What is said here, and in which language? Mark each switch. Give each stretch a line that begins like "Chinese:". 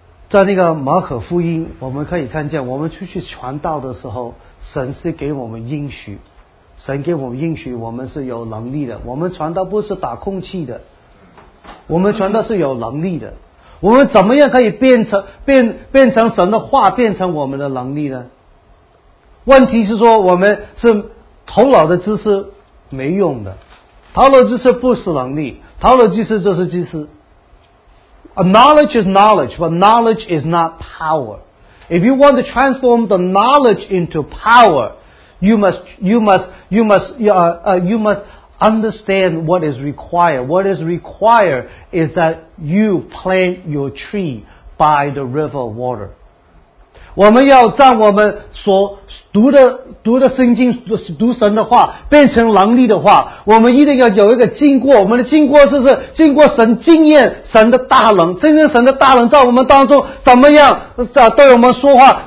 Chinese: 在那个马可福音，我们可以看见，我们出去传道的时候，神是给我们应许，神给我们应许，我们是有能力的。我们传道不是打空气的，我们传道是有能力的。我们怎么样可以变成神的话，变成我们的能力呢？问题是说，我们是头脑的知识没用的，头脑知识不是能力，头脑知识就是知识。
English: A knowledge is knowledge, but knowledge is not power. If you want to transform the knowledge into power, you must understand what is required. What is required is that you plant your tree by the river of water.
Chinese: 我们要让我们所读的圣经，读神的话变成能力的话，我们一定要有一个经过。我们的经过就是经过神经验，神的大能，真正神的大能在我们当中怎么样对我们说话。